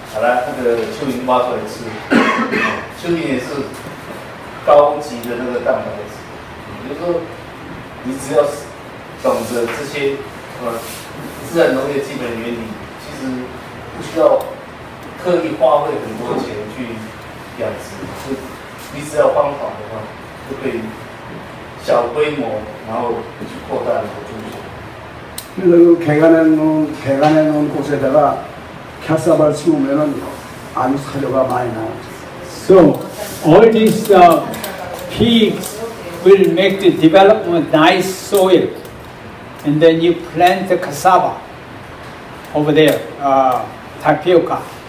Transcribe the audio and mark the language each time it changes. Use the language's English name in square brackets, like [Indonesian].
[Chinese] 比如说在有腐叶子的地方，你只要把四号微生物撒在上面，那个地方就会产生很多的蚯蚓，然后猪是自己会去用鼻子去把那个蚯蚓挖出来吃。蚯蚓也是高级的那个蛋白质，就是说你只要懂得这些自然农业基本原理，其实不需要刻意花费很多钱去养殖，你只要方法的话，就可以小规模然后去扩大你的蚯蚓。那个改良的改良的 [Korean] 곳에다가 캐서발 심으면은 아주 사료가 많이 나오죠. [English] So all these pigs will make the development nice soil, and then you plant the cassava over there, tapioca.